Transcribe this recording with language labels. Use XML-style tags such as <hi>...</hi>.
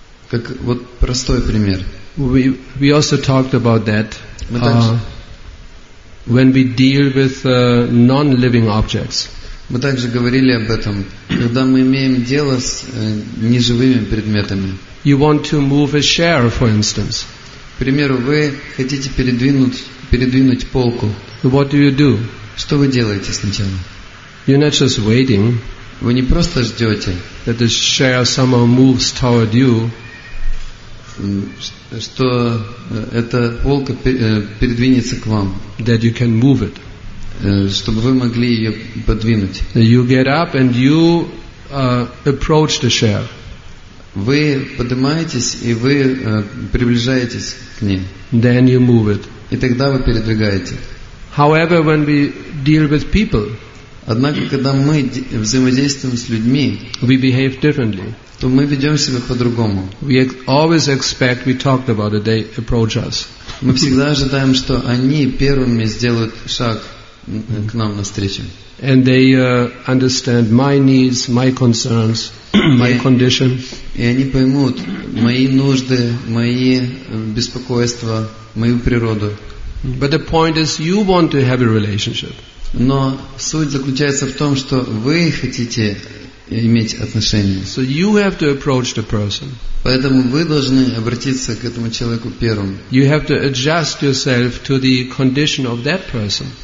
<ru>Как вот простой пример.</ru> <en>We also talked about that when we deal with non-living objects.</en> <ru>Мы также говорили об этом, когда мы имеем дело с неживыми предметами.</ru> <en>You want to move a chair, for instance.</en> <ru>К примеру, вы хотите передвинуть полку.</ru> <en>What do you do?</en> <ru>Что вы делаете сначала?</ru> <en>You're not just waiting.</en> <ru>Вы не просто ждете,</ru> <en>that the chair somehow moves toward you.</en> <ru>Что эта полка передвинется к вам.</ru> <en>That you can move it.</en> <ru>Чтобы вы могли ее подвинуть.</ru> <en>You get up and you approach the chair.</en> <ru>Вы поднимаетесь и вы приближаетесь к ней.</ru> <en>Then you move it.</en> <ru>И тогда вы передвигаете.</ru> <en>However, when we deal with people,</en> <ru>однако, когда мы взаимодействуем с людьми,</ru> <en>we behave differently.</en> <ru>То мы ведем себя по-другому.</ru> <en>We always expect, we talked about it, they approach us.</en> <ru>Мы всегда ожидаем, что они первыми сделают шаг к нам навстречу.</ru> <en>And they understand my needs, my concerns, my condition.</en> <ru>И они поймут мои нужды, мои беспокойства, мою природу.</ru> <en>But the point is, you want to have a relationship.</en> <ru>Но суть заключается в том, что вы хотите иметь отношения.</ru> <en>So you have to approach the person.</en> <ru>Поэтому вы должны обратиться к этому человеку первым.</ru> <en>You have to adjust yourself to the condition of that person.</en>